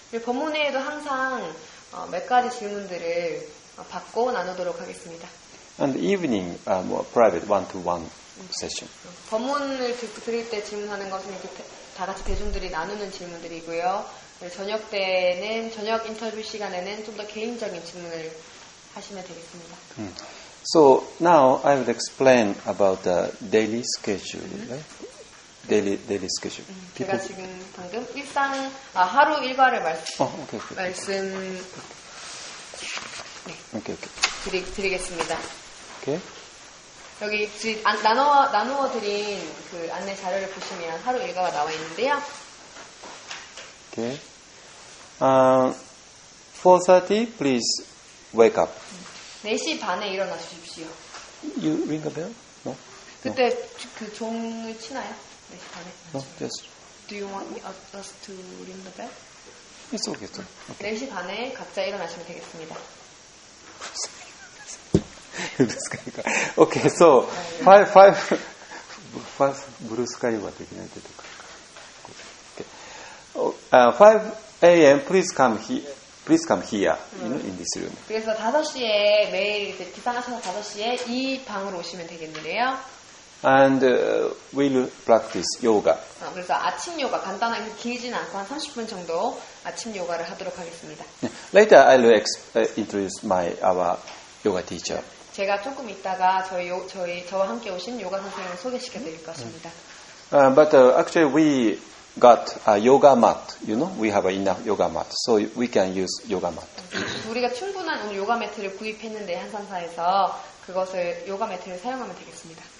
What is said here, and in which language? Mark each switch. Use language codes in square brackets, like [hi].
[ko] 법문 회에도 항상 몇 가지 질문들을 받고 나누도록 하겠습니다. [en] And evening, more private one-to-one session. [ko] 법문을 드릴 때 질문하는 것은 이렇게 다 같이 대중들이 나누는 질문들이고요. 저녁 때는 저녁 인터뷰 시간에는 좀 더 개인적인 질문을 하시면 되겠습니다. [en] So now I will explain about the daily schedule. Daily schedule. [ko] 제가 지금 방금 일상 하루 일과를 말씀 네. [en] Okay. [ko] 드리겠습니다. [en] Okay. [ko] 여기 나누어 드린 그 안내 자료를 보시면 하루 일과가 나와 있는데요. [en] Okay. 4:30 please wake up. [ko] 4시 반에 일어나 주십시오. [en] You ring a bell? No. [ko] 그때 [en] no. [ko] 그 종을 치나요? 4시 반에. [en] No, just. Do you want us to ring the bell? It's okay. It's okay. [ko] 4시 반에 각자 일어나시면 되겠습니다. 브루스카이가. [en] Okay, so [ko] 5 브루스카이가 되긴 해야 될 것 같아요. [en] 5 AM, please come here, in this room. [ko] 그래서 5시에 매일 이제 기상하셔서 5시에 이 방으로 오시면 되겠는데요. [en] And we'll practice yoga. [ko] 그래서 아침 요가, 간단하게 길진 않고 한 30분 정도 아침 요가를 하도록 하겠습니다. [en] Later I will introduce our yoga teacher. [ko] 제가 조금 있다가 저와 함께 오신 요가 선생님을 소개시켜 드릴 것입니다. [en] Actually we got a yoga mat, you know? We have enough yoga mat, so we can use yoga mat. [ko] 우리가 충분한 요가 매트를 구입했는데 한산사에서 그것을 요가 매트를 사용하면 되겠습니다.